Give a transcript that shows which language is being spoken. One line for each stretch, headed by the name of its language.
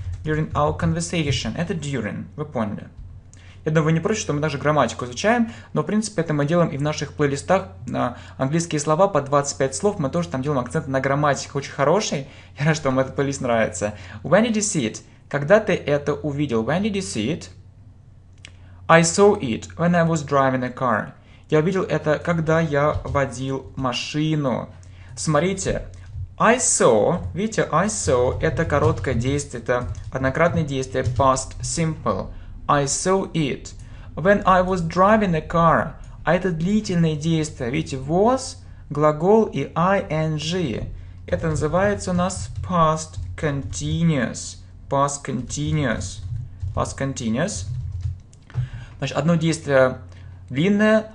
English: During our conversation.
Russian: Это during, вы поняли. Я думаю, вы не против, что мы даже грамматику изучаем, но, в принципе, это мы делаем и в наших плейлистах на английские слова по 25 слов. Мы тоже там делаем акцент на грамматике, очень хороший. Я рад, что вам этот плейлист нравится.
English: When did you see it?
Russian: Когда ты это увидел?
English: When did you see it? I saw it when I was driving a car.
Russian: Я увидел это, когда я водил машину. Смотрите. I saw, видите, I saw, это короткое действие, это однократное действие, past simple.
English: I saw it when I was driving a car.
Russian: А это длительное действие, видите, was, глагол и ing. Это называется у нас past continuous.
English: Past continuous. Past continuous.
Russian: Значит, одно действие длинное.